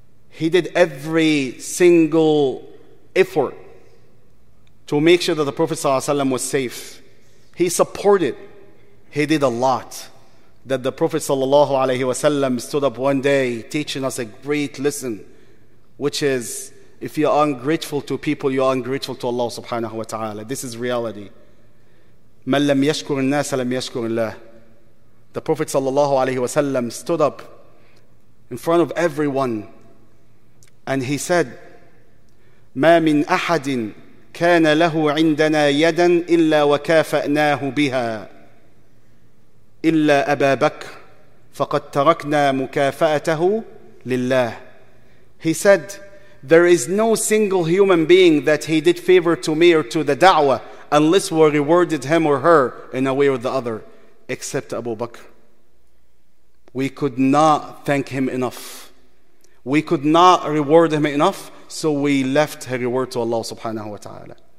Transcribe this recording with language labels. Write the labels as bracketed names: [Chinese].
[English] He did every single effort to make sure that the Prophet ﷺ was safe. He supported. He did a lot. That the Prophet ﷺ stood up one day teaching us a great lesson, which is, if you are ungrateful to people, you are ungrateful to Allah subhanahu wa ta'ala. This is reality. [Arabic] مَنْ لَمْ يَشْكُرِ النَّاسَ لَمْ يَشْكُرِ اللَّهِ. [English] The Prophet ﷺ stood up in front of everyone, and he said, [Arabic] مَا مِنْ أَحَدٍ كَانَ لَهُ عِنْدَنَا يَدًا إِلَّا وَكَافَأْنَاهُ بِهَا إِلَّا أَبَا بَكْرٍ فَقَدْ تَرَكْنَا مُكَافَأَتَهُ لِلَّهِ. [English] He said, there is no single human being that he did favor to me or to the da'wah unless we rewarded him or her in a way or the other, except Abu Bakr. We could not thank him enough. We could not reward him enough, so we left her reward to Allah subhanahu wa ta'ala.